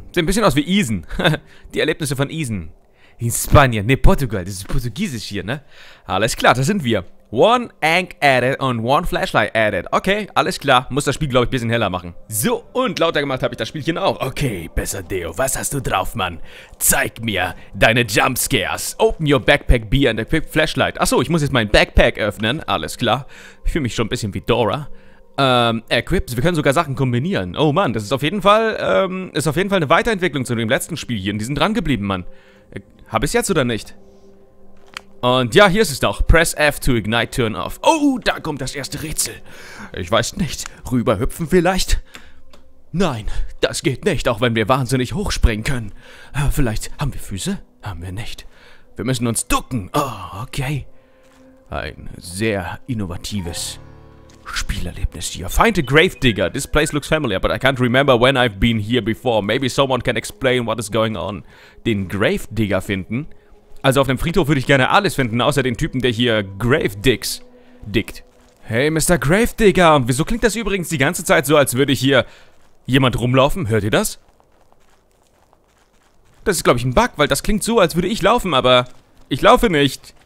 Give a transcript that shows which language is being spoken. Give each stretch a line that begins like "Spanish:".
German: Sieht ein bisschen aus wie Isen. Die Erlebnisse von Isen. In Spanien, ne, Portugal. Das ist portugiesisch hier, ne? Alles klar, das sind wir. One Ank added und one Flashlight added. Okay, alles klar. Muss das Spiel, glaube ich, ein bisschen heller machen. So, und lauter gemacht habe ich das Spielchen auch. Okay, Pesadelo, was hast du drauf, Mann? Zeig mir deine Jumpscares.
English: Open your backpack, beer and a quick flashlight.
German: Achso, ich muss jetzt mein Backpack öffnen. Alles klar. Ich fühle mich schon ein bisschen wie Dora. Equips, wir können sogar Sachen kombinieren. Oh Mann, das ist auf jeden Fall, ist auf jeden Fall eine Weiterentwicklung zu dem letzten Spiel hier. Und die sind dran geblieben, Mann. Hab ich's jetzt oder nicht? Und ja, hier ist es doch.
English: Press F to ignite, turn off.
German: Oh, da kommt das erste Rätsel. Ich weiß nicht. Rüberhüpfen vielleicht? Nein, das geht nicht, auch wenn wir wahnsinnig hochspringen können. Vielleicht haben wir Füße? Haben wir nicht. Wir müssen uns ducken. Oh, okay. Ein sehr innovatives Spielerlebnis hier.
English: Find a grave digger. This place looks familiar, but I can't remember when I've been here before. Maybe someone can explain what is going on.
German: Den Grave Digger finden? Also auf dem Friedhof würde ich gerne alles finden, außer den Typen, der hier Grave Digs dickt.
English: Hey, Mr. Grave Digger.
German: Und wieso klingt das übrigens die ganze Zeit so, als würde hier jemand rumlaufen? Hört ihr das? Das ist, glaube ich, ein Bug, weil das klingt so, als würde ich laufen, aber ich laufe nicht.